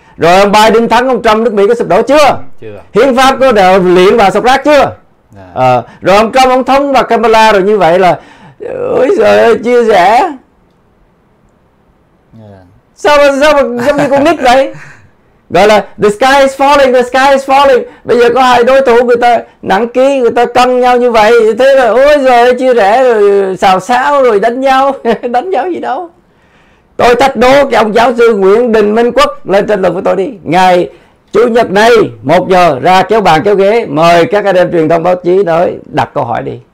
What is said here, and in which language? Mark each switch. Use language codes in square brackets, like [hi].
[vi] Rồi ông Biden thắng ông Trump nước Mỹ có sụp đổ chưa? Chưa. Hiến pháp có đều liền và sụp rác chưa? À, rồi ông Trump ông thống bà Kamala rồi như vậy là ôi giời ơi, chia rẽ. Sao mà giống như con nít vậy? Gọi là [en] the sky is falling, the sky is falling. [vi] Bây giờ có hai đối thủ người ta nặng ký, người ta căng nhau như vậy. Thế là ôi giời ơi, chia rẽ rồi xào xáo rồi đánh nhau. Đánh nhau gì đâu. Tôi thách đố cái ông giáo sư Nguyễn Đình Minh Quốc lên tranh luận với tôi đi. Ngày Chủ nhật này 1 giờ ra kéo bàn kéo ghế, mời các anh em truyền thông báo chí tới đặt câu hỏi đi.